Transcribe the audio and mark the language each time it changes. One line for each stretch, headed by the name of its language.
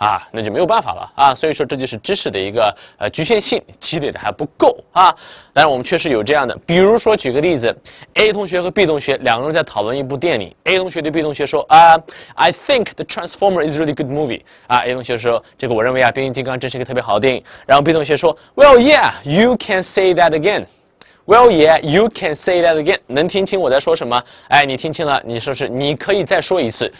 Chinese: 那就没有办法了啊。所以说这就是知识的一个局限性积累的还不够啊。当然我们确实有这样的，比如说举个例子，A 同学和B同学两个人在讨论一部电影，A 同学对B同学说，
English: I think Transformer is a really good movie
Chinese: 啊。A 同学说，这个我认为啊，变形金刚真是一个特别好的电影。然后 B 同学说，
English: Well yeah, you can say that again. Well yeah, you can say that again.
Chinese: 能听清我在说什么？哎，你听清了，你说是你可以再说一次。